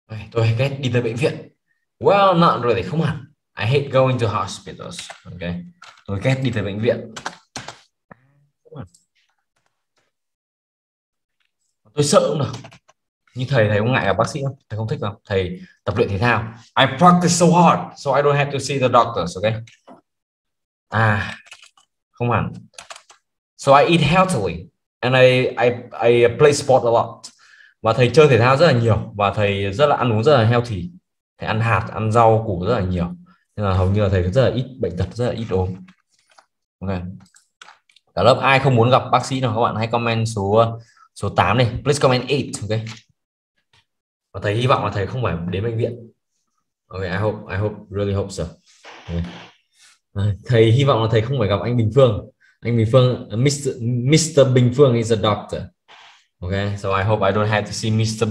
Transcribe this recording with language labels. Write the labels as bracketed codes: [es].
[vi] Tôi ghét đi tới bệnh viện. [en] Well, not really. [vi] Không hẳn. [en] I hate going to hospitals. Okay. [vi] Tôi ghét đi tới bệnh viện. Tôi sợ không được. Như thầy, thầy cũng ngại gặp bác sĩ không? Thầy không thích không? Thầy tập luyện thể thao. [en] I practice so hard, so I don't have to see the doctors, okay? [vi] À, không hẳn. [en] So I eat healthily, and I play sport a lot. [vi] Và thầy chơi thể thao rất là nhiều, và thầy rất là ăn uống rất là healthy. Thầy ăn hạt, ăn rau, củ rất là nhiều. Nên là hầu như là thầy rất là ít bệnh tật, rất là ít ốm. Okay. Cả lớp ai không muốn gặp bác sĩ nào, các bạn hãy comment số 8 này, [en] please comment 8, [vi] okay. Và thầy hy vọng là thầy không phải đến bệnh viện. Okay, [en] I hope, really hope so. [vi] Okay. Thầy hy vọng là thầy không phải gặp anh Bình Phương. [en] Anh Bình Phương, Mr. Bình Phương is a doctor. Okay, so I hope I don't have to see Mr.